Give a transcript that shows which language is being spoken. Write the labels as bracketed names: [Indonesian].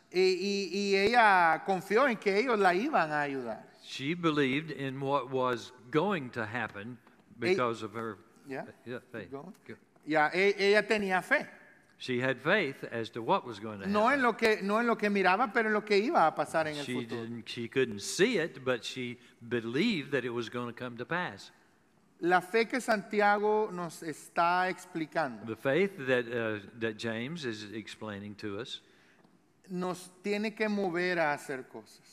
[Spanish] Y ella confió en que ellos la iban a ayudar. [English] She believed in what was going to happen because of her. [Spanish] Ella tenía fe. [English] She had faith as to what was going to happen. [Spanish] No en lo que miraba, pero en lo que iba a pasar en el futuro. [English] She couldn't see it, but she believed that it was going to come to pass. [Spanish] La fe que Santiago nos está explicando. [English] The faith that that James is explaining to us. [Spanish] Nos tiene que mover a hacer cosas.